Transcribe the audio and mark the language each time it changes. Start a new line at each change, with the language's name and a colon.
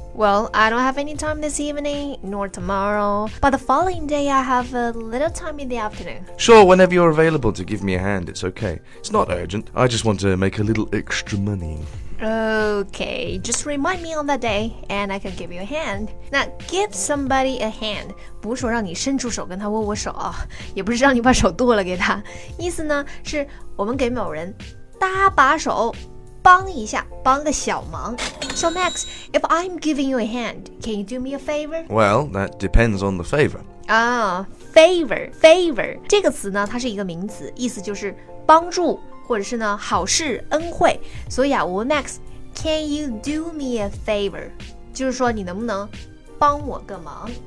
English: Well, I don't have any time this evening, nor tomorrow. But the following day, I have a little time in the afternoon. Sure, whenever you're available to give me a hand, it's okay. It's not urgent. I just want to make a little extra money. Okay, just remind me on that day, and I can give you a hand. Now, give somebody a hand.
Chinese: 不是说让你伸出手跟他握握手啊，也不是让你把手剁了给他。意思呢，是我们给某人搭把手。帮一下，帮个小忙。
English: So Max, if I'm giving you a hand, can you do me a favor? Well, that depends on the favor. Favor.
Chinese: 这个词呢，它是一个名词，意思就是帮助，或者是呢，好事，恩惠。所以啊，我问
English: Max, can you do me a favor?
Chinese: 就是说你能不能帮我个忙。